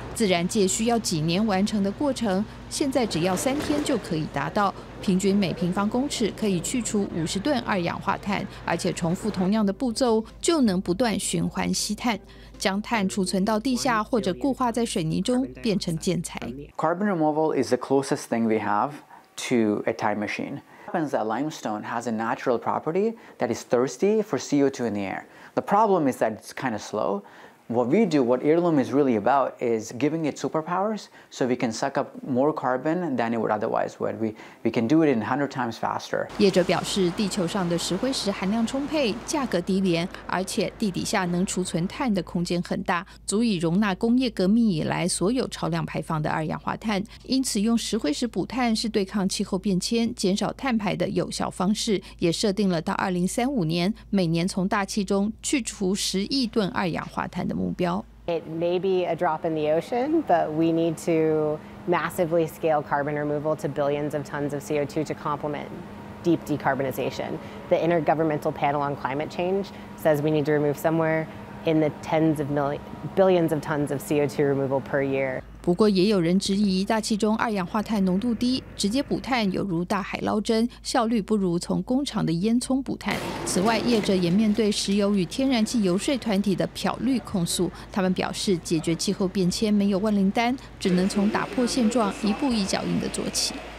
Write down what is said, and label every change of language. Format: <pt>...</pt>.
<zh>自然界需要几年完成的过程，现在只要3天就可以达到，平均每平方公尺可以去除50吨二氧化碳，而且重复同样的步骤，就能不断循环吸碳。将碳储存到地下或者固化在水泥中变成建材。</zh> <en>Carbon removal is the closest thing we have to a time machine. It happens that limestone has a natural property that is thirsty for CO2 in the air. The problem is that it's kind of slow. What we do, what Heirloom is really about, is giving it superpowers so we can suck up more carbon than it would otherwise would. We can do it in 100 times faster.</en> <zh>业者表示，地球上的石灰石含量充沛，价格低廉，而且地底下能储存碳的空间很大，足以容纳工业革命以来所有超量排放的二氧化碳。因此，用石灰石补碳是对抗气候变迁、减少碳排的有效方式，也设定了到2035年每年从大气中去除10亿吨二氧化碳的目标。</zh> <en>It may be a drop in the ocean, but we need to massively scale carbon removal to billions of tons of CO2 to complement deep decarbonization. The Intergovernmental Panel on Climate Change says we need to remove somewhere in the tens of billions of tons of CO2 removal per year.</en> <zh>不过也有人质疑，大气中二氧化碳浓度低，直接补碳有如大海捞针，效率不如从工厂的烟囱补碳。此外，业者也面对石油与天然气游说团体的漂绿控诉，他们表示，解决气候变迁没有万灵丹，只能从打破现状一步一脚印的做起。</zh>